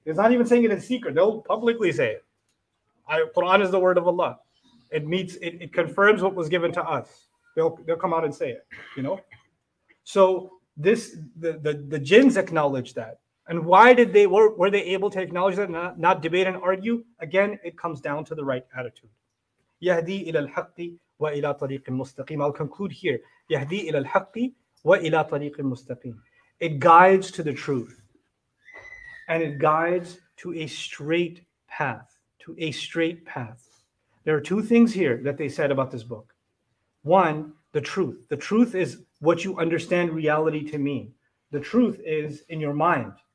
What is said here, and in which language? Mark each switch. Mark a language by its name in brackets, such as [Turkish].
[English] It's not even saying it in secret. They'll publicly say it. Quran is the word of Allah. It confirms what was given to us. They'll come out and say it, you know? So this the jinns acknowledge that. And why did they were they able to acknowledge that and not debate and argue? Again, it comes down to the right attitude. [Arabic] يهدي إلى الحق وإلى طريق مستقيم. [English] I'll conclude here. [Arabic] يهدي إلى الحق وإلى طريق مستقيم. [English] It guides to the truth. And it guides to a straight path. To a straight path. There are two things here that they said about this book. One, the truth. The truth is what you understand reality to mean. The truth is in your mind.